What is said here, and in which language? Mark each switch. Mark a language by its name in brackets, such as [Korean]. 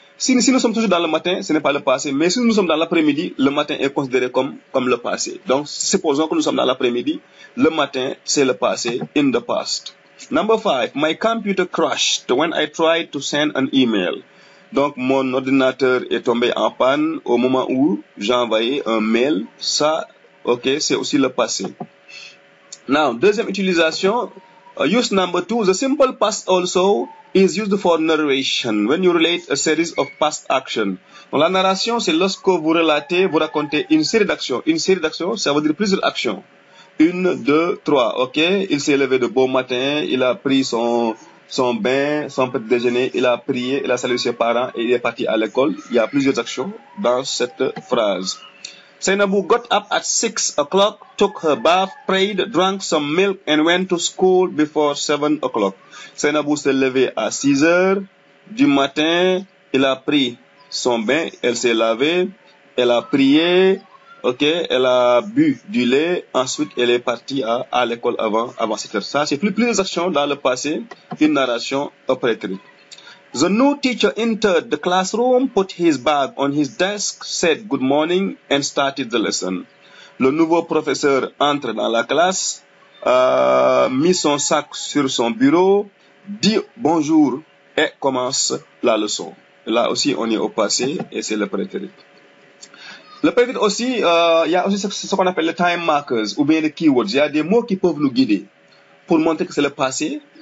[French] Si nous sommes toujours dans le matin, ce n'est pas le passé. Mais si nous sommes dans l'après-midi, le matin est considéré comme le passé. Donc, supposons que nous sommes dans l'après-midi. Le matin, c'est le passé. [English] In the past. Number 5. My computer crashed when I tried to send an email. [French] Donc, mon ordinateur est tombé en panne au moment où j'envoyais un mail. Ça, ok, c'est aussi le passé. Now, deuxième utilisation, [English] use number two. The simple past also is used for narration when you relate a series of past actions. [French] Donc, la narration, c'est lorsque vous relatez, vous racontez une série d'actions. Une série d'actions, ça veut dire plusieurs actions. Une, deux, trois, ok. Il s'est levé de bon matin, il a pris son bain, son petit déjeuner, il a prié, il a salué ses parents et il est parti à l'école. Il y a plusieurs actions dans cette phrase. [English] Seynabou got up at 6 o'clock, took her bath, prayed, drank some milk and went to school before 7 o'clock. [French] Seynabou s'est levé à 6 heures du matin, il a pris son bain, elle s'est lavée, elle a prié, ok, elle a bu du lait, ensuite elle est partie à l'école avant 7h. Ça, c'est plusieurs actions dans le passé, une narration au préterite. [English] The new teacher entered the classroom, put his bag on his desk, said good morning and started the lesson. [French] Le nouveau professeur entre dans la classe, mis son sac sur son bureau, dit bonjour et commence la leçon. Là aussi, on est au passé et c'est le préterite. Le préfet aussi, il y a aussi ce qu'on appelle le time markers ou bien les keywords. Il y a des mots qui peuvent nous guider pour montrer que c'est le passé.